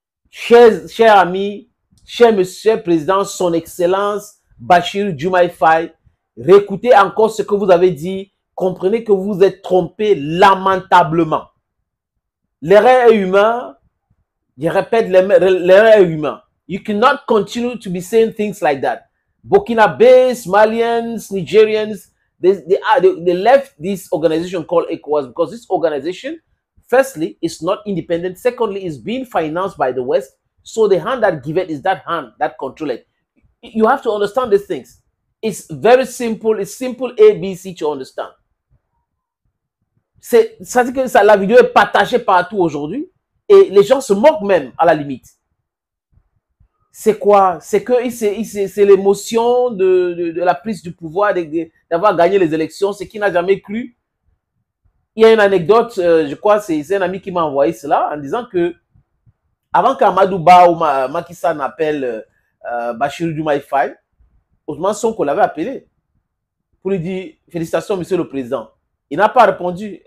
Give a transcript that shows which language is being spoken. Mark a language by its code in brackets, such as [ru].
[fr] Chers amis, cher monsieur président, son excellence, Bashiru Jumaifai, réécoutez encore ce que vous avez dit. Comprenez que vous êtes trompé lamentablement. L'erreur est humaine. Je répète, l'erreur est humaine. [en] You cannot continue to be saying things like that. Burkinabés, Malians, Nigerians, they left this organization called ECOWAS because this organization Firstly, it's not independent. Secondly, it's being financed by the West. So the hand that give it is that hand that control it. You have to understand these things. It's very simple. It's simple ABC to understand. [fr] C'est-à-dire que ça, la vidéo est partagée partout aujourd'hui et les gens se moquent même à la limite. C'est quoi? C'est que c'est l'émotion de la prise du pouvoir, d'avoir gagné les élections. C'est qui n'a jamais cru. Il y a une anecdote, je crois, c'est un ami qui m'a envoyé cela en disant que avant qu'Amadou Ba ou Macky Sall appelle Bachir Diomaye Faye, Ousmane Sonko l'avait appelé pour lui dire félicitations, monsieur le président. Il n'a pas répondu.